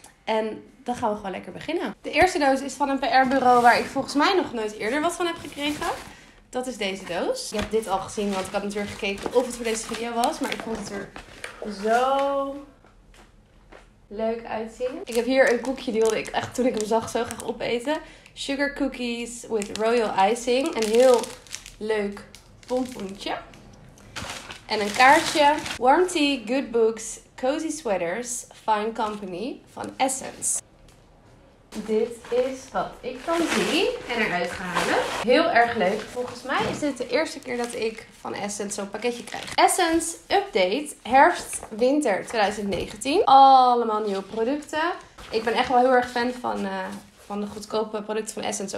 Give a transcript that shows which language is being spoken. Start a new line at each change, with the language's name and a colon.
Dutch: En dan gaan we gewoon lekker beginnen. De eerste doos is van een PR-bureau waar ik volgens mij nog nooit eerder wat van heb gekregen. Dat is deze doos. Ik heb dit al gezien, want ik had natuurlijk gekeken of het voor deze video was. Maar ik vond het er zo leuk uitzien. Ik heb hier een koekje, die wilde ik echt toen ik hem zag zo graag opeten.
English: Sugar cookies with royal icing.
Dutch: Een heel leuk pompoentje. En een kaartje.
English: Warm tea, good books, cozy sweaters, fine company van Essence.
Dutch: Dit is wat ik dan zie en eruit ga halen. Heel erg leuk. Volgens mij is dit de eerste keer dat ik van Essence zo'n pakketje krijg. Essence Update Herfst Winter 2019. Allemaal nieuwe producten. Ik ben echt wel heel erg fan van de goedkope producten van Essence.